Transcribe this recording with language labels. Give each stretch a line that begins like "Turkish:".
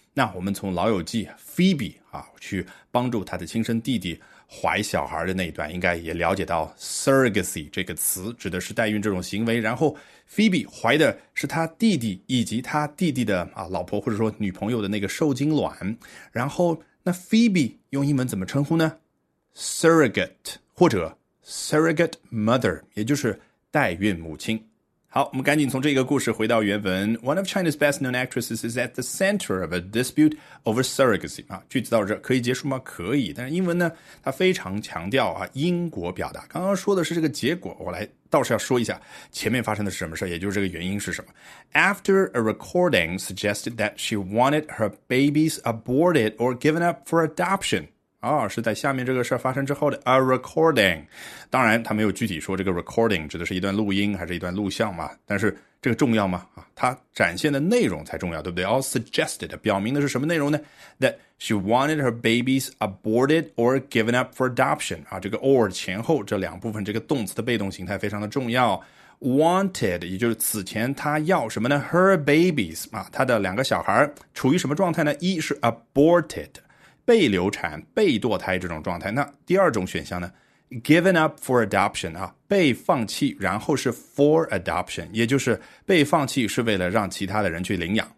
Chinese: 那我们从老友记 Phoebe、啊、去帮助他的亲生弟弟怀小孩的那一段，应该也了解到 surrogacy 这个词指的是代孕这种行为。然后 Phoebe 怀的是他弟弟以及他弟弟的、啊、老婆或者说女朋友的那个受精卵。然后那 Phoebe 用英文怎么称呼呢？surrogate 或者 surrogate mother, 也就是代孕母亲。好，我们赶紧从这个故事回到原文。
English: One of China's best known actresses is at the center of a dispute over surrogacy.、
Chinese: 啊、句子到这可以结束吗？可以。但是英文呢它非常强调、啊、因果表达。刚刚说的是这个结果，我来倒是要说一下前面发生的是什么事，也就是这个原因是什么。
English: After a recording suggested that she wanted her babies aborted or given up for adoption.
Chinese: 哦、是在下面这个事发生之后的 a recording, 当然他没有具体说这个 recording 指的是一段录音还是一段录像嘛，但是这个重要吗？他、啊、展现的内容才重要，对不对？
English: All suggested
Chinese: 表明的是什么内容呢？
English: That she wanted her babies aborted or given up for adoption、
Chinese: 啊、这个 or 前后这两部分这个动词的被动形态非常的重要。 Wanted 也就是此前他要什么呢？
English: Her babies
Chinese: 他、啊、的两个小孩处于什么状态呢？一是 abortedbei 流产、被堕胎这种状态。那第二种选项呢 ?
English: given up for adoption,
Chinese: 啊被放弃然后是 for adoption, 也就是被放弃是为了让其他的人去领养。